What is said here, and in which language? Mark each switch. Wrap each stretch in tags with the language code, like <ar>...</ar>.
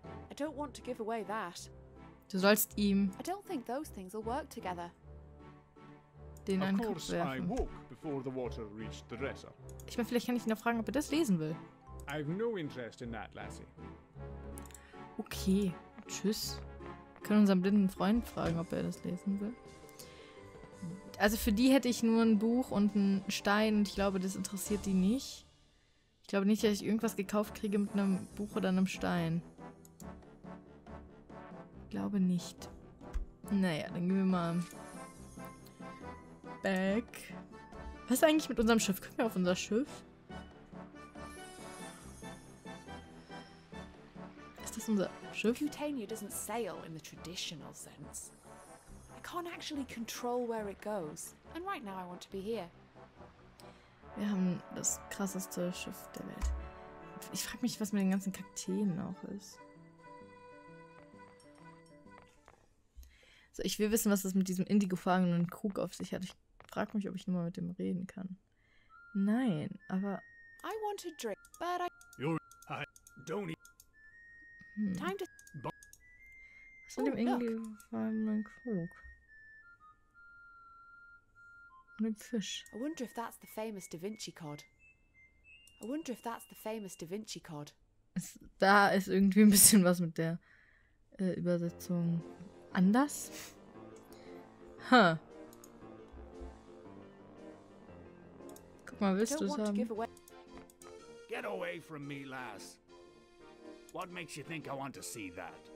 <en>I don't want to give away that.</en> <de>Du sollst ihm...</de> <en>I don't think those things will work together.</en> <de>Den an den Kopf werfen.</de> <en>I walk before the water reached the dresser.</en> <de>Ich meine, vielleicht kann ich ihn noch fragen, ob er das lesen will.</de> <en>I've no interest in that, Lassie.</en> <de>Okay, tschüss. Wir können unseren blinden Freund fragen, ob er das lesen will. Also für die hätte ich nur ein Buch und einen Stein und ich glaube, das interessiert die nicht. Ich glaube nicht, dass ich irgendwas gekauft kriege mit einem Buch oder einem Stein. Ich glaube nicht. Naja, dann gehen wir mal back. Was ist eigentlich mit unserem Schiff? Können wir auf unser Schiff? Unser Schiff.</de> <en>Cutania doesn't sail in the traditional sense. I can't actually control where it goes. And right now I want to be here.</en> <de>Wir haben das krasseste Schiff der Welt. Ich frage mich, was mit den ganzen Kakteen auch ist. So, ich will wissen, was das mit diesem indigofarbenen Krug auf sich hat. Ich frage mich, ob ich nur mal mit dem reden kann. Nein, aber.</de> <en>I want to drink, but I. You're. I don't eat. Time to.</en> <de>Was mit dem indigofarbenen Krug? Und dem Fisch.</de> <en>I wonder if that's the famous Da Vinci cod. I wonder if that's the famous Da Vinci cod.</en> <de>Da ist irgendwie ein bisschen was mit der Übersetzung anders. Huh. Guck mal, willst du es haben?</de> <en>Get away from me, lass. What makes you think I want to see that?</en>